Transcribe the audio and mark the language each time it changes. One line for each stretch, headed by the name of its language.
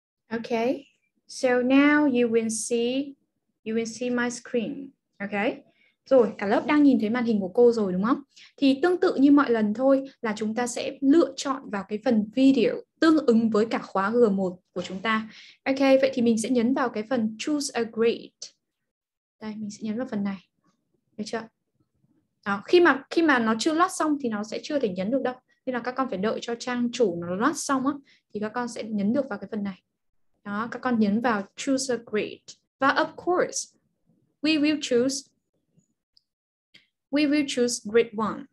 English: Okay, so now you will see my screen.
Vietnamese: Okay, rồi cả lớp đang nhìn thấy màn hình của cô rồi đúng không? Thì tương tự như mọi lần thôi là chúng ta sẽ lựa chọn vào cái phần video tương ứng với cả khóa G1 của chúng ta. Okay, vậy thì mình sẽ nhấn vào cái phần choose a grade. Đây, mình sẽ nhấn vào phần này. Được chưa? Đó, khi mà nó chưa load xong thì nó sẽ chưa thể nhấn được đâu. Nên là các con phải đợi cho trang chủ nó load xong á, thì các con sẽ nhấn được vào cái phần này. Đó, các con nhấn vào choose a grade.
English: Và of course, we will choose grade 1.